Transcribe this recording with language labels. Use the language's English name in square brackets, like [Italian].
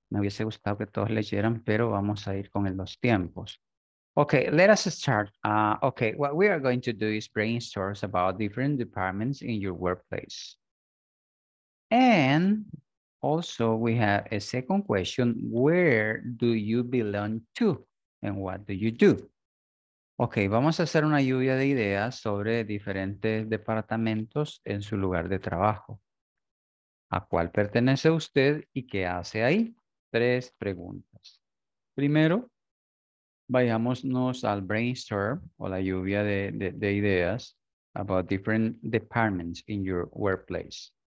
[Spanish] Me hubiese gustado que todos leyeran, pero vamos a ir con los tiempos. [English] Okay, let us start. Okay, what we are going to do is brainstorm about different departments in your workplace. And also we have a second question, where do you belong to and what do you do? [Spanish] Ok, vamos a hacer una lluvia de ideas sobre diferentes departamentos en su lugar de trabajo. ¿A cuál pertenece usted y qué hace ahí? Tres preguntas. Primero, vayámonos al brainstorm o la lluvia de ideas [English] about different departments in your workplace.